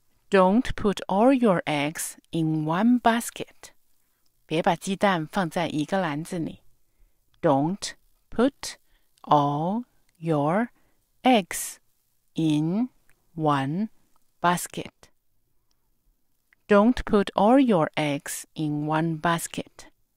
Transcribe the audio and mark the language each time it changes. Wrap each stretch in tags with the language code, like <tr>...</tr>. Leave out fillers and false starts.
<en>Don't put all your eggs in one basket.</en> <zh>别把鸡蛋放在一个篮子里。</zh> <en>Don't put all your eggs in one basket. Don't put all your eggs in one basket.</en>